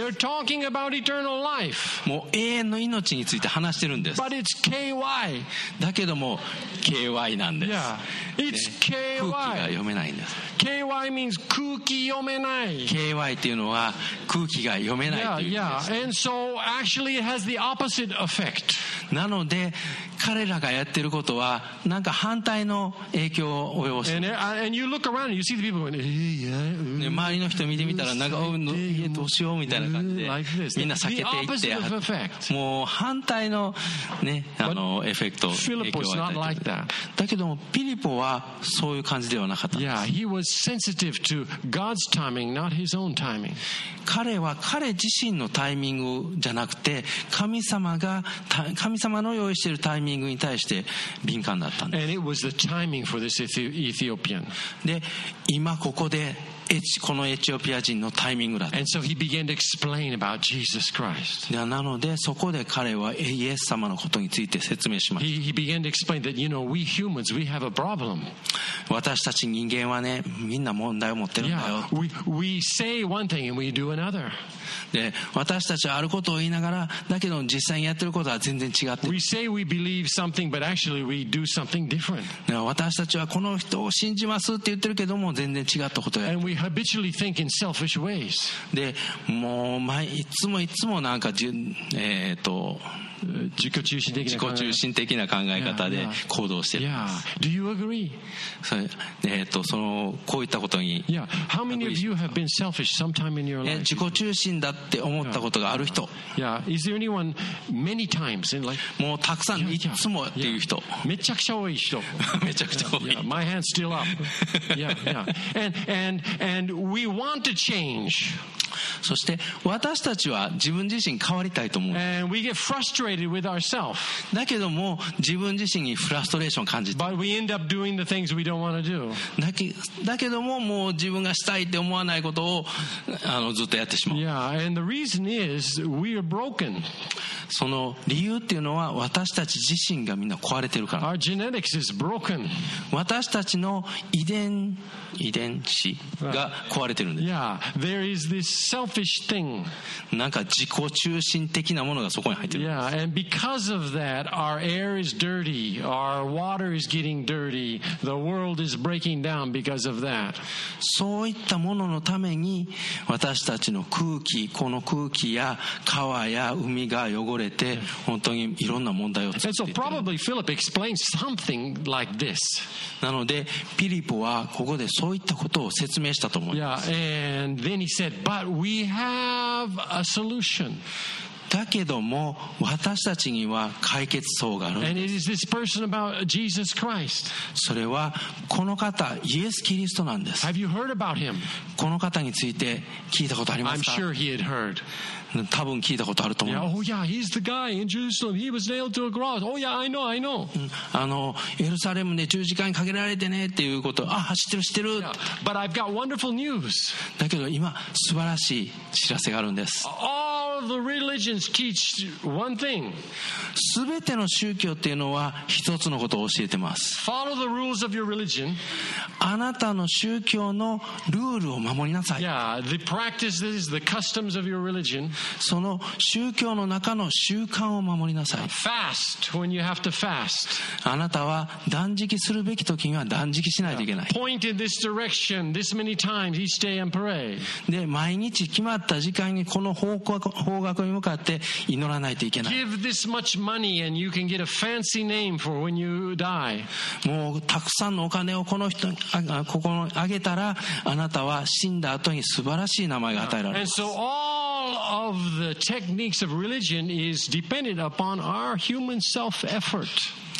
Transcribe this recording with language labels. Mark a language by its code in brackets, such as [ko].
[en] They're talking about eternal life. [ja] もう永遠の命について話してるんです。 [en] But it's KY. [ja] だけども KY なんです。 [en] Yeah. It's KY. [ja] 空気が読めないんです。 [en] KY means [ja] 空気読めない。 KY っていうのは空気が読めないという意味です。 [en] Yeah, yeah. And so actually it has the opposite effect. [ja] なので彼らがやってることはなんか反対の影響を及ぼす。 [en] And you look around, you see the people going, hey, yeah, [ja] 周りの人見てみたらなんかどうしようみたいな感じでみんな避けていって、 [en] the opposite effect. [ja] もう反対のね、エフェクト、影響を与えている。 [en] Like、 [ja] だけどもピリポはそういう感じではなかったんです。 [en] Yeah, he was sensitive to God's timing, not his own timing. [ja] 彼は彼自身のタイミングじゃなくて神様の用意しているタイミングに対して敏感だったんです。 [en] And it was the timing for this Ethiopian. [ja] で、今ここでこのエチオピア人のタイミングだった。 [en] And so he began to explain about Jesus Christ. [ja] なのでそこで彼はイエス様のことについて説明しました。 [en] He began to explain that, you know, we humans, we have a problem. [ja] 私たち人間はね、みんな問題を持ってるんだよ。 [en] Yeah, we say one thing and we do another. [ja] で、私たちはあることを言いながら、だけど実際にやってることは全然違ってる。 [en] We say we believe something, but actually we do something different. [ja] 私たちはこの人を信じますって言ってるけども、全然違ったことをやってる。 [en] We habitually think in selfish ways. [ja] で、もう毎いつもいつもなんか自己中心的な考え方で行動してる。 [en] Yeah, do you agree? [ja] そのこういったことに。 [en] Yeah, how many of you have been selfish sometime in your life? [ja] 自己中心だって思ったことがある人。 [en] Yeah, is there anyone many times in life? [ja] もうたくさんいつもっていう人。めちゃくちゃ多い人。めちゃくちゃ多い。 [en] Yeah, my hand's still up. Yeah, yeah. And we want to change. [ja] そして私たちは自分自身変わりたいと思う。 [en] And we get frustrated with ourselves. [ja] だけども自分自身にフラストレーションを感じて。 [en] But we end up doing the things we don't want to do. [ja] だけどももう自分がしたいって思わないことをずっとやってしまう。 [en] Yeah, and the reason is we are broken. [ja] その理由っていうのは私たち自身がみんな壊れてるから。 [en] Our genetics is broken. [ja] 私たちの遺伝子が壊れてるんです。 [en] Yeah, there is this selfish thing. [ja] なんか自己中心的なものがそこに入ってる。 [en] Yeah, and because of that, our air is dirty, our water is getting dirty, the world is breaking down because of that. [ja] そういったもののために私たちの空気、この空気や川や海が汚れて本当にいろんな問題を作っている。 [en] And so probably Philip explains something like this. [ja] なのでピリポはここでそういったことを説明したと思います。 [en] Yeah, and then he said, but we have a solution. [ja] だけども私たちには解決策があるんです。 [en] And it is this person about Jesus Christ. [ja] それはこの方、イエス・キリストなんです。 [en] Have you heard about him? [ja] この方について聞いたことありますか? [en] I'm sure he had heard. [ja] 多分聞いたことあると思う。 [en] Yeah, oh yeah, he's the guy in Jerusalem. He was nailed to a cross. Oh yeah, I know, I know. [ja] エルサレムで十字架にかけられてねっていうこと。あ、知ってる、知ってる。 [en] Yeah, but I've got wonderful news. [ja] だけど今素晴らしい知らせがあるんです。 [en] All the religions teach one thing. [ja] すべての宗教っていうのは一つのことを教えてます。 [en] Follow the rules of your religion. [ja] あなたの宗教のルールを守りなさい。 [en] Yeah, the practices, the customs of your religion. [ja] その宗教の中の習慣を守りなさい。 [en] Fast when you have to fast. [ja] あなたは断食するべき時には断食しないといけない。 [en] Point in this direction this many times each day and pray. [ja] で、毎日決まった時間にこの方角に向かって祈らないといけない。 [en] Give this much money and you can get a fancy name for when you die. [ja] もうたくさんのお金をこの人ここにあげたらあなたは死んだ後に素晴らしい名前が与えられます。 [en] Of the techniques of religion is dependent upon our human self-effort.